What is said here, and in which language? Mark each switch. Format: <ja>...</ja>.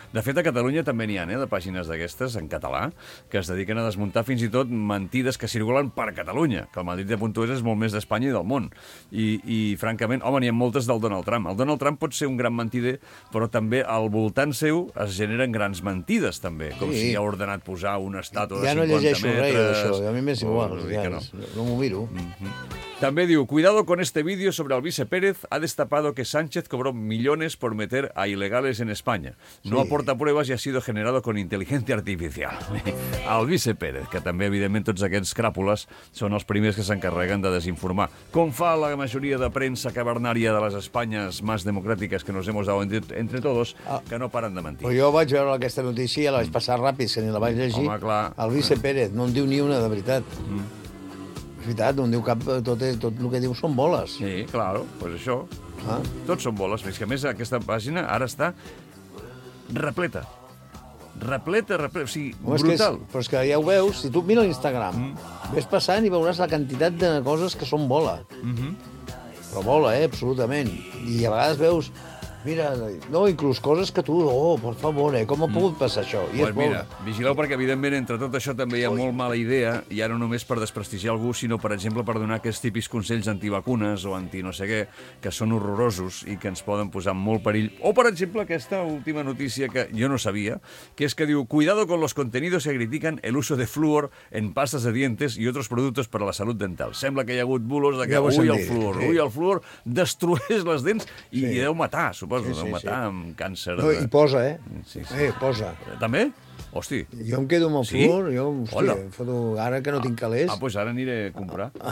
<ca>De fet, a Catalunya també n'hi ha, de pàgines d'aquestes, en català, que es dediquen a desmuntar fins i tot mentides que circulen per Catalunya, que el maldita.es és molt més d'Espanya i del món. I francament, home, n'hi ha moltes del Donald Trump. El Donald Trump pot ser un gran mentider, però també al voltant seu es generen grans mentides, també, com si ha ordenat posar una estàtua de 50 metres... Ja no llegeixo res d'això, a mi m'és igual, no m'ho miro.</ca> <es>També diu, cuidado con este vídeo sobre el vice Pérez, ha destapado que Sánchez cobró millones por meter a ilegales en España. No aporta pruebas y ha sido generado con inteligencia artificial.</es> <ca>El vice Pérez, que també, evidentment, tots aquests cràpoles són els primers que s'encarreguen de desinformar. Com fa la majoria de premsa cavernària de les Espanyes más democràtiques</ca> <es>que nos hemos dado entre todos,</es> <ca>que no paren de mentir. Però jo vaig veure aquesta notícia i la vaig passar ràpid, que ni la vaig llegir. Home, clar. El vice Pérez no en diu ni una, de veritat. És veritat, on diu cap, tot el que diu són boles. Sí, claro, pues això. Ah. Tots són boles. És que, a més, aquesta pàgina ara està repleta. Repleta, o sigui, brutal. És que és, però és que ja ho veus, si tu mira l'Instagram, ves passant i veuràs la quantitat de coses que són bola. Però bola, absolutament. I a vegades veus, mira, no, inclús coses que tu, oh, per favor, com ha pogut passar això? I pues mira, vigileu, perquè evidentment entre tot això també hi ha molt mala idea, i ara no només per desprestigiar algú, sinó, per exemple, per donar aquests típics consells antivacunes o anti no sé què, que són horrorosos i que ens poden posar en molt perill. O, per exemple, aquesta última notícia que jo no sabia, que és que diu,</ca> <es>cuidado con los contenidos que critican el uso de flúor en pastas de dientes y otros productos para la salud dental.</es> <ca>Sembla que hi ha hagut bulos de que ui, el flúor, ui, el flúor destrueix les dents i hi deu matar, suposo, deu matar amb càncer. No, i posa, eh? Sí, sí. Posa. També? Hosti. Jo em quedo amb el flúor, jo, hòstia, foto, ara que no tinc calés... Ah, doncs ara aniré a comprar.</ca>